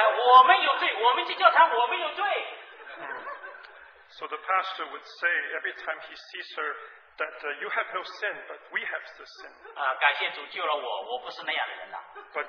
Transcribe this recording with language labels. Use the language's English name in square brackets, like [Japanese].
[Chinese] 你没罪，我们有罪，我们这教堂我们有罪。 [English] So the pastor would say every time he sees her that you have no sin, but we have the sin. [Chinese] 感谢主救了我，我不是那样的人了。 [English] But